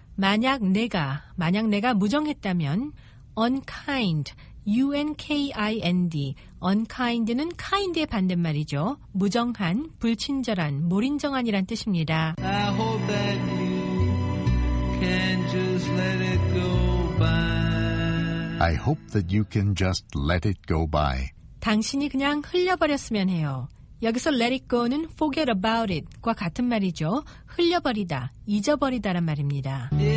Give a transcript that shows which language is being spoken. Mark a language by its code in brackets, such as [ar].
[ko] 만약 내가 무정했다면 unkind, UNKIND, unkind는 kind의 반대말이죠. 무정한, 불친절한, 몰인정한이란 뜻입니다. [en] I hope that you can just let it go by. I hope that you can just let it go by. [ko] 당신이 그냥 흘려버렸으면 해요. 여기서 let it go는 forget about it과 같은 말이죠. 흘려버리다, 잊어버리다란 말입니다.